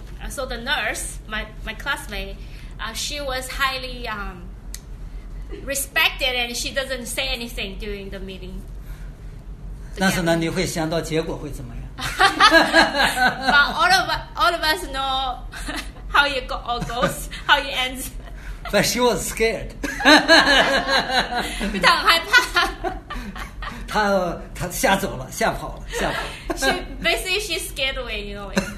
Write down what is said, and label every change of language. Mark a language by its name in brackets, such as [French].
[English] So the nurse, my classmate, she was highly respected, and she doesn't say anything during the meeting. [Chinese] 但是呢，你会想到结果会怎么样？ [English] But all of us know how you go, all goes, how you ends. But she was scared. [Chinese] 她很害怕。她吓走了，吓跑了。 [English] Basically, she scared away, you know.